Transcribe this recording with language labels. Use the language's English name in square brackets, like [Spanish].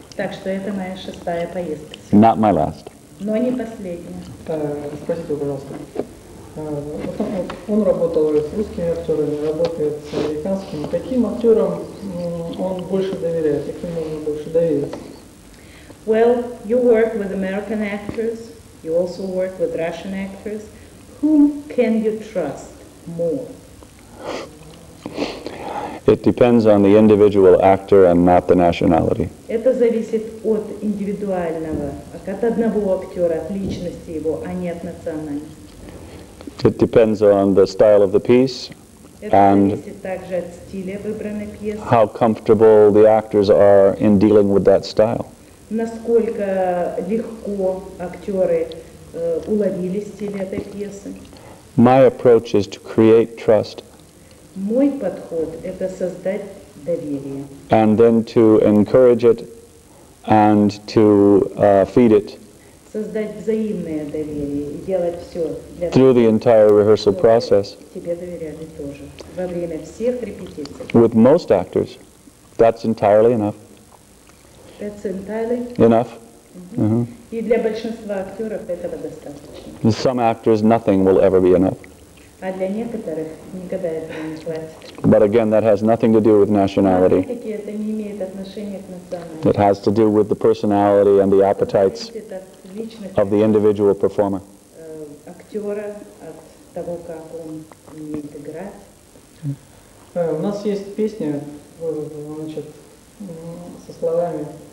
[Russian] Так что это моя шестая поездка. [English] Not my last. [Russian] Но не последняя. Спасибо, пожалуйста. Он работал с русскими актерами, работает с американскими. Каким актерам он больше доверяет? Каким можно больше довериться? [English] Well, you work with American actors, you also work with Russian actors. Whom can you trust more? It depends on the individual actor and not the nationality. [Russian] Это зависит от индивидуального, от одного актера, от личности его, а не от национальности. [English] It depends on the style of the piece. [Russian] Это зависит также от стиля выбранной пьесы. [English] How comfortable the actors are in dealing with that style. [Russian] Насколько легко актеры уловили стиль этой пьесы. [English] My approach is to create trust. [Russian] Мой подход – это создать доверие. [English] And then to encourage it and to feed it. [Russian] Создать взаимное доверие и делать все для [English] through the entire rehearsal process. [Russian] Тебе доверяли тоже во время всех репетиций. [English] With most actors, that's entirely enough. That's entirely enough. Mm-hmm. [Russian] И для большинства актеров этого достаточно. [English] For some actors, nothing will ever be enough. [Russian] А для некоторых никогда этого не хватит. [English] But again, that has nothing to do with nationality. [Russian] Опять-таки, это не имеет отношения к национальности. [English] It has to do with the personality and the appetites of the individual performer. [Russian] Актера от того, как он умеет играть. У нас есть песня, значит, со словами.